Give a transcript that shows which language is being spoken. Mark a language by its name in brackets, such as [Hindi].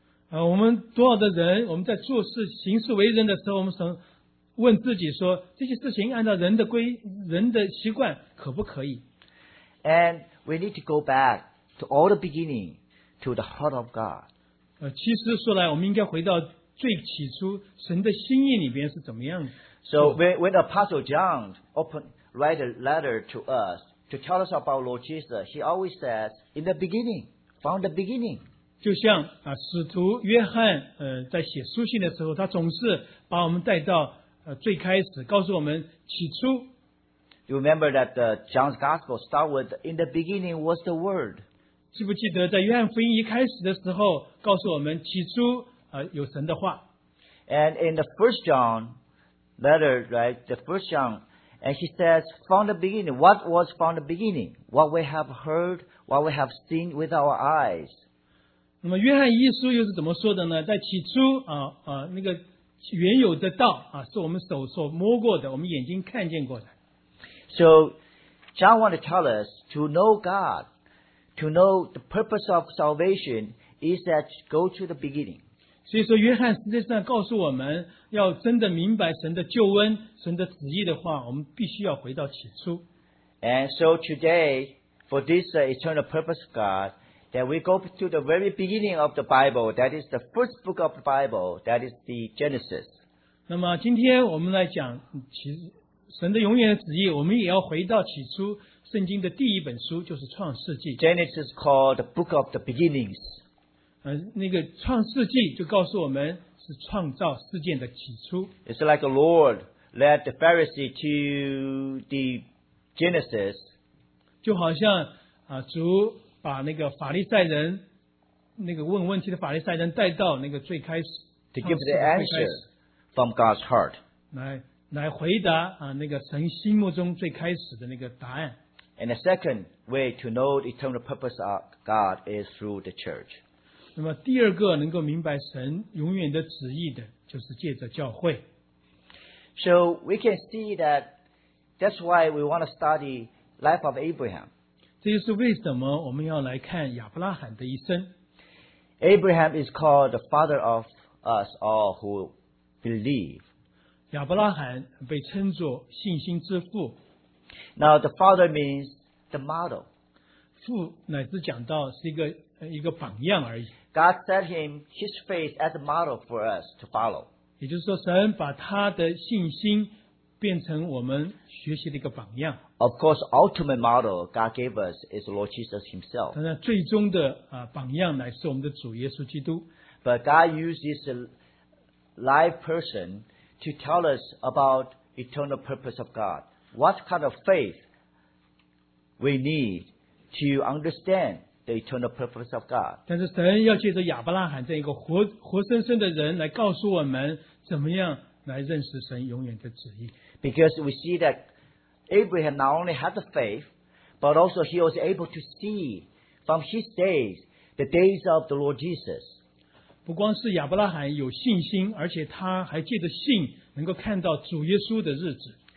[Chinese] 我们多少的人，我们在做事、行事为人的时候，我们从 问自己说，这些事情按照人的习惯可不可以？ [English] And we need to go back to all the beginning, to the heart of God. [Chinese] 其实说来，我们应该回到最起初神的心意里边是怎么样的。 [English] So when Apostle John write a letter to us to tell us about Lord Jesus, he always says in the beginning, from the beginning. [Chinese] 就像啊，使徒约翰在写书信的时候，他总是把我们带到最开始，告诉我们起初。 [English] You remember that John's Gospel starts with in the beginning was the Word. [Chinese] 记不记得在约翰福音一开始的时候，告诉我们起初有神的话。 [English] And in the first John letter, right, the first John, and he says from the beginning, what was from the beginning, what we have heard, what we have seen with our eyes. [Chinese] 那么约翰一书又是怎么说的呢？在起初那个原有的道是我们手所摸过的，我们眼睛看见过的。 [English] So, John wants to tell us to know God, to know the purpose of salvation is that go to the beginning. [Chinese] 所以说约翰实际上告诉我们要真的明白神的救恩、神的旨意的话，我们必须要回到起初。 [English] And so today, for this eternal purpose of God, that we go to the very beginning of the Bible, that is the first book of the Bible, that is the Genesis. [Chinese] 那么今天我们来讲其实神的永远的旨意，我们也要回到起初圣经的第一本书，就是创世纪。 [English] Genesis called the book of the beginnings. [Chinese] 那个创世纪就告诉我们是创造世界的起初。 [English] It's like the Lord led the Pharisee to the Genesis. [Chinese] 就好像主把那个法利赛人，那个问问题的法利赛人带到那个最开始。 [English] To give the answer from God's heart. [Chinese] 来回答那个神心目中最开始的那个答案。 [English] And the second way to know the eternal purpose of God is through the church. [Chinese] 那么第二个能够明白神永远的旨意的，就是借着教会。 [English] So we can see that's why we want to study life of Abraham. [Chinese] 这就是为什么我们要来看亚伯拉罕的一生。 [English] Abraham is called the father of us all who believe. [Chinese] 亚伯拉罕被称作信心之父。 [English] Now the father means the model. [Chinese] 父乃是讲到是一个榜样而已。 [English] God set him his faith as a model for us to follow. [Chinese] 也就是说神把他的信心变成我们学习的一个榜样。 [English] Of course, ultimate model God gave us is Lord Jesus himself. [Chinese] 但是最终的榜样乃是我们的主耶稣基督。 [English] But God used this live person to tell us about eternal purpose of God. What kind of faith we need to understand the eternal purpose of God. [Chinese] 但是神要借着亚伯拉罕这一个活生生的人来告诉我们怎么样来认识神永远的旨意。 [English] Because we see that Abraham not only had the faith, but also he was able to see from his days, the days of the Lord Jesus. [Chinese] 不光是亚伯拉罕有信心，而且他还借着信能够看到主耶稣的日子。